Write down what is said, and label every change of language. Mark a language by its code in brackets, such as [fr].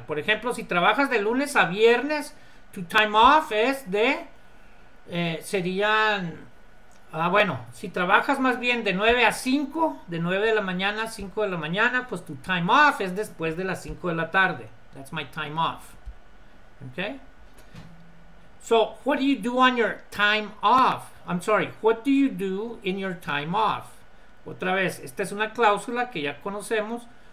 [es] Por ejemplo, si trabajas de lunes a viernes, tu time off es de, serían, ah, bueno, si trabajas más bien de 9 a 5, de 9 de la mañana a 5 de la mañana, pues tu time off es después de las 5 de la tarde. [en] That's my time off. Okay? So, what do you do on your time off? I'm sorry, what do you do in your time off? [es] Otra vez, esta es una cláusula que ya conocemos.